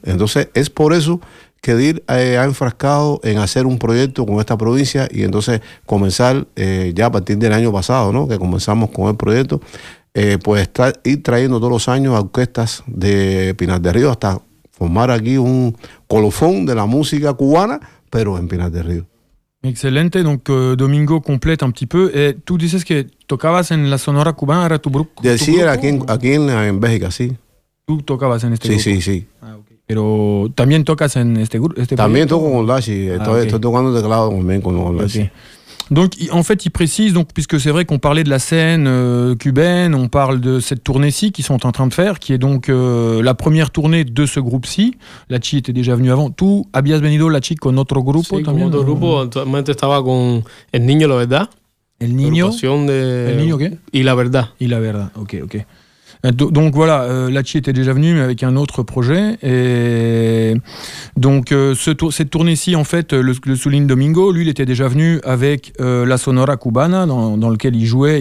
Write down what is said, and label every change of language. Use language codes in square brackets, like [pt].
[es] Entonces es por eso que Dir ha enfrascado en hacer un proyecto con esta provincia, y entonces comenzar ya a partir del año pasado, ¿no?, que comenzamos con el proyecto, pues ir trayendo todos los años a orquestas de Pinar del Río hasta formar aquí un colofón de la música cubana, pero en Pinar del Río. Excelente, [fr] donc Domingo complète un petit peu. Et tu disais que [es] tocabas en la Sonora Cubana, era tu grupo? Sí, era aquí en Bélgica, sí. Tú tocabas en este sí, grupo. Sí, sí, sí. Ah, okay. Pero también tocas en este grupo. Este también proyecto? Toco con Lachi, estoy tocando teclado también con Lachi. Okay. [fr] Donc, en fait, il précise, donc, puisque c'est vrai qu'on parlait de la scène cubaine, on parle de cette tournée-ci qu'ils sont en train de faire, qui est donc la première tournée de ce groupe-ci. Lachi était déjà venu avant. [es] Tu habías venido, Lachi, con otro grupo? Sí, también, con otro grupo. [fr] Actuellement, [es] estaba con El Niño, la Verdad. El Niño. De... El Niño, ok. Y la Verdad. Y la Verdad, ok, ok. [fr] Donc voilà, Lachi était déjà venu, mais avec un autre projet. Et donc cette tournée-ci, en fait, le souligne Domingo, lui, il était déjà venu avec la Sonora Cubana, dans lequel il jouait.